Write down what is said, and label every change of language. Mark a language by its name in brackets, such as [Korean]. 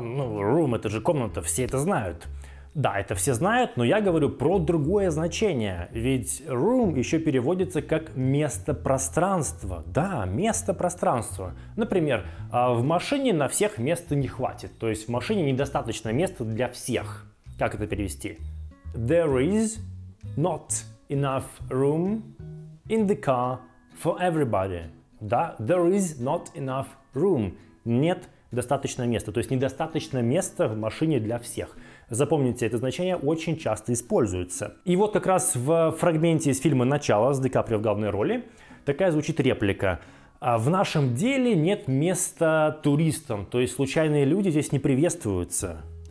[Russian] Ну, room – это же комната, все это знают. Да, это все знают, но я говорю про другое значение, ведь room еще переводится как место-пространство. Да, место-пространство. Например, в машине на всех места не хватит, то есть в машине недостаточно места для всех. Как это перевести? [English] There is not enough room in the car for everybody. Да, there is not enough room. [Russian] Нет достаточно места, то есть недостаточно места в машине для всех. Запомните, это значение очень часто используется. И вот как раз в фрагменте из фильма «Начало» с Ди Каприо в главной роли такая звучит реплика. «В нашем деле нет места туристам», то есть случайные люди здесь не приветствуются.